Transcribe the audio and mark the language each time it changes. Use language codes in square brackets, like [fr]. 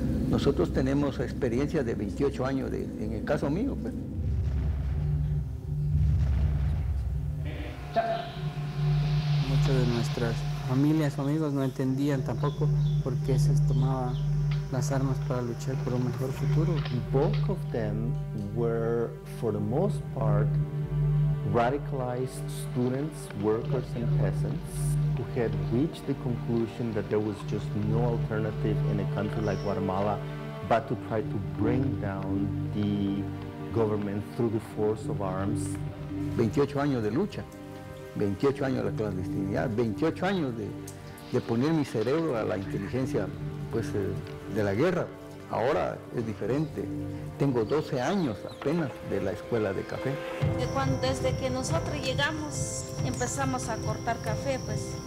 [es] Nosotros tenemos experiencia de 28 años, en el caso mío. Pues. Muchas de nuestras familias o amigos no entendían tampoco por qué se tomaba las armas para luchar por un mejor futuro. [en] Both of them were, for the most part, radicalized students, workers, and peasants who had reached the conclusion that there was just no alternative in a country like Guatemala but to try to bring down the government through the force of arms. [es] 28 años de lucha. 28 años de la clandestinidad, 28 años de poner mi cerebro a la inteligencia, pues, de la guerra. Ahora es diferente. Tengo 12 años apenas de la escuela de café. Desde que nosotros llegamos, empezamos a cortar café, pues.